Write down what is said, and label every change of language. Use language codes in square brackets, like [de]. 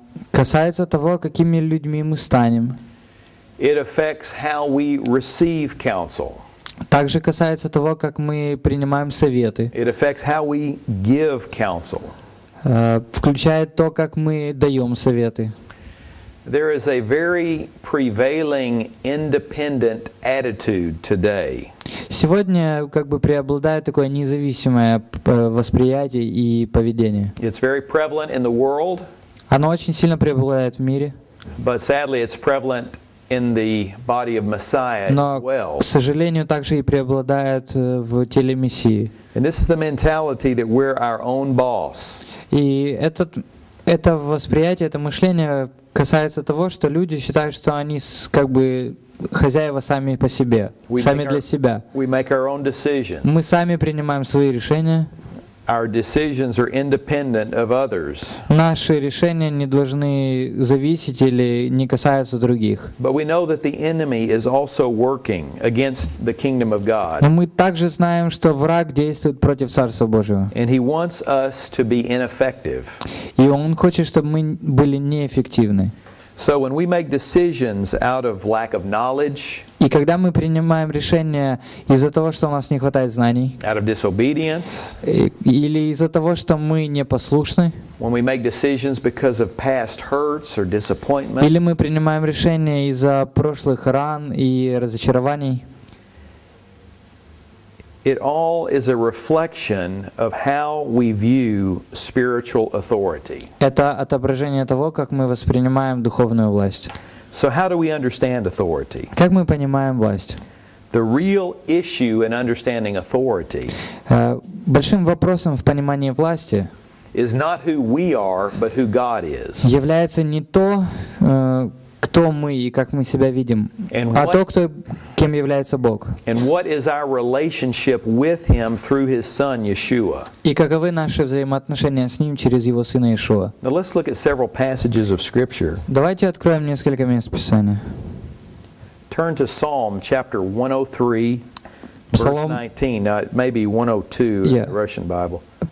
[ru] Касается того, какими людьми мы станем. [en] It affects how we receive counsel. [ru] Также касается того, как мы принимаем советы. [en] It affects how we give counsel. [ru] Включает то, как мы даем советы. [en] There is a very prevailing independent attitude today. [ru] Сегодня как бы преобладает такое независимое восприятие и поведение. [en] It's very prevalent in the world. [ru] Оно очень сильно преобладает в мире. [en] But sadly, it's prevalent in the body of Messiah [ru] Но, [en] as well. [ru] К сожалению, также и преобладает в теле Мессии. [en] And this is the mentality that we're our own boss. [ru] И это восприятие, это мышление касается того, что люди считают, что они как бы хозяева сами по себе, сами для себя. [en] We make our own decisions. [ru] Мы сами принимаем свои решения. [en] Our decisions are independent of others. [ru] Наши решения не должны зависеть или не касаются других. [en] But we know that the enemy is also working against the kingdom of God. [ru] Но мы также знаем, что враг действует против Царства Божьего. [en] And he wants us to be ineffective. [ru] И он хочет, чтобы мы были неэффективны. [en] So when we make decisions out of lack of knowledge, [ru] и когда мы принимаем решения из-за того, что у нас не хватает знаний, [en] out of disobedience, [ru] или из-за того, что мы непослушны, [en] when we make decisions because of past hurts or disappointments, [ru] или мы принимаем решения из-за прошлых ран и разочарований, [en] it all is a reflection of how we view spiritual authority. [ru] Это отображение того, как мы воспринимаем духовную власть. [en] So how do we understand authority? [ru] Как мы понимаем власть? [en] The real issue in understanding authority. [ru] Большим вопросом в понимании власти [en] is not who we are, but who God is. [ru] Является не то, кто мы и как мы себя видим, а то, кто, кем является Бог. [en] And what is our relationship with Him through His Son Yeshua? [ru] И каковы наши взаимоотношения с Ним через Его Сына Иешуа? [en] Now let's look at several passages of Scripture. [ru] Давайте откроем несколько мест Писания. [en] Turn to Psalm chapter 103, Psalm, verse 19. Now it may be 102 in the Russian Bible.